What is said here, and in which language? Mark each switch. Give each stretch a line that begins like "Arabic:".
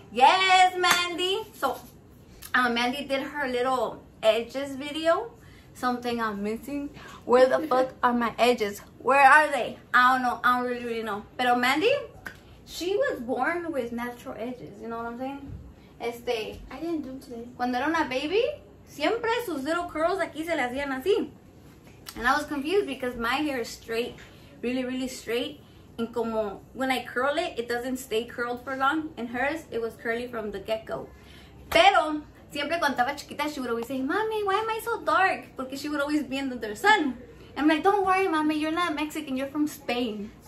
English: Yes, Mandy. So, Mandy did her little edges video. Something I'm missing. Where the fuck are my edges? Where are they? I don't know. I don't really know. Pero Mandy, she was born with natural edges. You know what I'm saying? I didn't do them today.
Spanish: Cuando era una baby, siempre sus
English: little curls
Spanish: aquí se le hacían así.
English: And I was confused because my hair is straight. Really, really straight. And como when I curl it, it doesn't stay curled for long. And hers, it was curly from the get-go.
Spanish: Pero siempre cuando estaba chiquita,
English: she would always say, Mami, why am I so dark? Porque she would always be under the sun. I'm like, don't worry, Mami, you're not Mexican, you're from Spain.